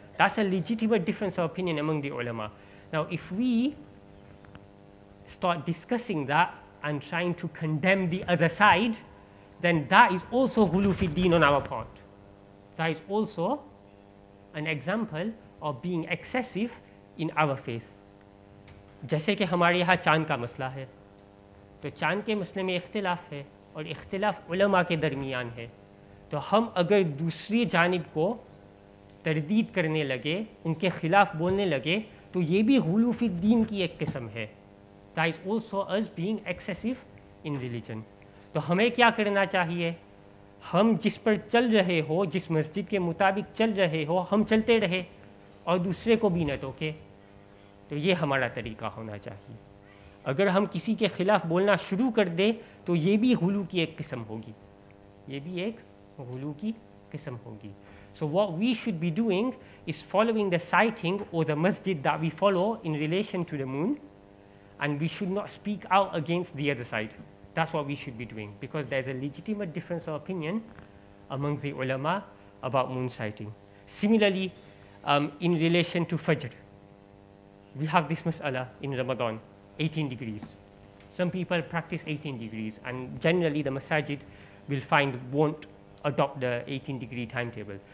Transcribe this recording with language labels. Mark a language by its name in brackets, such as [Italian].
[English] That's a legitimate difference of opinion among the ulama. Now, if we start discussing that and trying to condemn the other side, then that is also ghulu fi deen on our part. That is also an example of being excessive in our faith. [Urdu] جیسے کہ ہمارے یہاں چاند کا مسئلہ ہے تو چاند کے مسئلے میں اختلاف ہے اور اختلاف علماء کے درمیان ہے تو ہم اگر دوسری جانب کو تردید کرنے لگے ان کے خلاف بولنے لگے تو یہ بھی غلو فی الدین کی ایک قسم ہے [English] That is also us being excessive in religion [Urdu] تو ہمیں کیا کرنا چاہیے ہم جس پر چل رہے ہو جس مسجد کے مطابق چل رہے ہو ہم چلتے رہے اور دوسرے کو بھی نہ ٹوکے تو یہ ہمارا طریقہ ہونا چاہیے اگر ہم کسی کے خلاف بولنا شروع کر دیں تو یہ بھی غلو کی ایک قسم ہوگی یہ بھی ایک غلو کی قسم ہوگی [English] So what we should be doing is following the sighting or the masjid that we follow in relation to the moon, and we should not speak out against the other side. That's what we should be doing, because there's a legitimate difference of opinion among the ulama about moon sighting. Similarly, in relation to Fajr, we have this mas'ala in Ramadan, 18 degrees. Some people practice 18 degrees, and generally the masajid will find won't adopt the 18 degree timetable.